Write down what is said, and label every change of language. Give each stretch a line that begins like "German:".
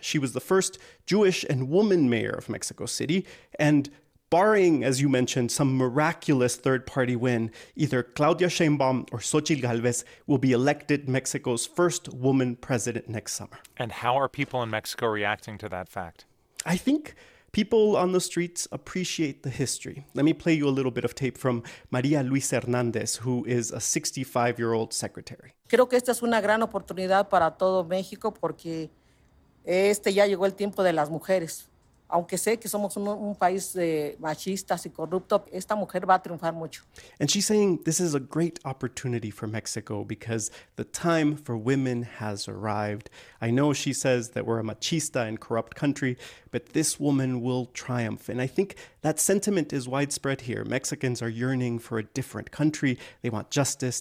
English: She was the first Jewish and woman mayor of Mexico City, and barring, as you mentioned, some miraculous third-party win, either Claudia Sheinbaum or Xochitl Galvez will be elected Mexico's first woman president next summer. And how are people in Mexico reacting to that fact? I think people on the streets appreciate the history. Let me play you a little bit of tape from María Luisa Hernández, who is a 65-year-old secretary.
Spanish: Creo que esta es una gran oportunidad para todo México porque este ya llegó el tiempo de las mujeres. Aunque sé que somos un país de machistas y corrupto, esta mujer va a triunfar mucho.
English: And she's saying this is a great opportunity for Mexico because the time for women has arrived. I know she says that we're a machista and corrupt country, but this woman will triumph. And I think that sentiment is widespread here. Mexicans are yearning for a different country. They want justice.